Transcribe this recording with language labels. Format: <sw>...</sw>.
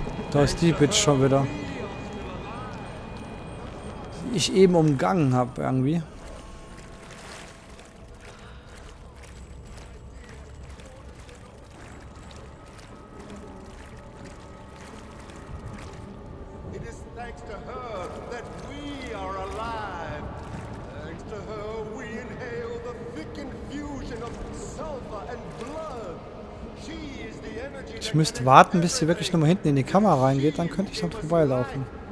<de>Da ist die Bitch schon wieder. Ich eben umgangen habe irgendwie.</de> <en>It is thanks to her that we are alive. Thanks to her we inhale the thick infusion of sulfur and blood. She is the energy.</en> <de>Ich müsste warten, bis sie wirklich nochmal hinten in die Kamera reingeht, dann könnte ich dann vorbeilaufen.</de>